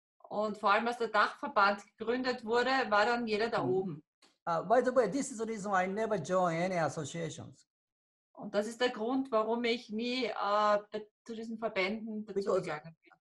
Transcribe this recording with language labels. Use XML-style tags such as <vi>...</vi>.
<de>Und vor allem, als der Dachverband gegründet wurde, war dann jeder da oben.</de> <en>By the way, this is the reason why I never join any associations.</en> <de>Und das ist der Grund, warum ich nie zu diesen Verbänden dazugegangen bin.</de>